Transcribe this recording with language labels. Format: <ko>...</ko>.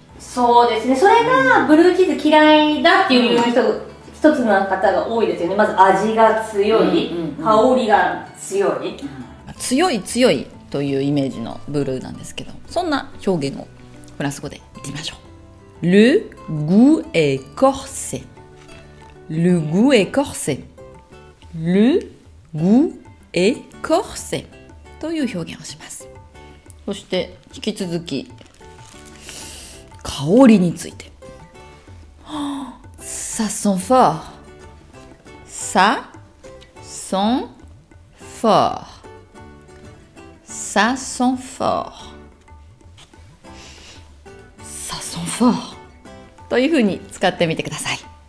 <ja>そうですね、それがブルーチーズ嫌いだっていう人、うん、一つの方が多いですよね。まず味が強い、うんうんうん、香りが強い、強い強いというイメージのブルーなんですけど、そんな表現をフランス語で言ってみましょう。</ja> <fr>Le goût est corsé、 Le goût est corsé、 Le goût est corsé</fr> <ja>という表現をします。そして引き続き香りについて、</ja> <fr>ça sent fort、 ça sent fort、 ça sent fort、 ça sent fort</fr> <ja>というふうに使ってみてください。</ja>